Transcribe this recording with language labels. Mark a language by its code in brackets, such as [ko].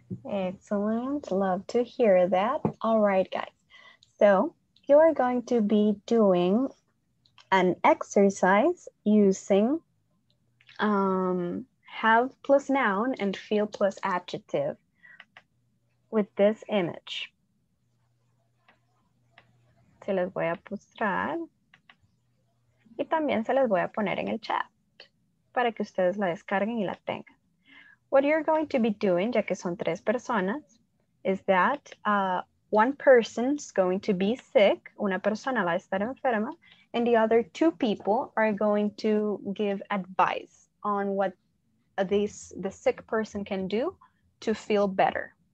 [en] Excellent, love to hear that. All right, guys. So you are going to be doing an exercise using have plus noun and feel plus adjective with this image. [es] Se los voy a postrar y también se los voy a poner en el chat para que ustedes la descarguen y la tengan. [en] What you're going to be doing, [es] ya que son tres personas, [en] is that one person's going to be sick, [es] una persona va a estar enferma, [en] and the other two people are going to give advice on what the sick person can do to feel better.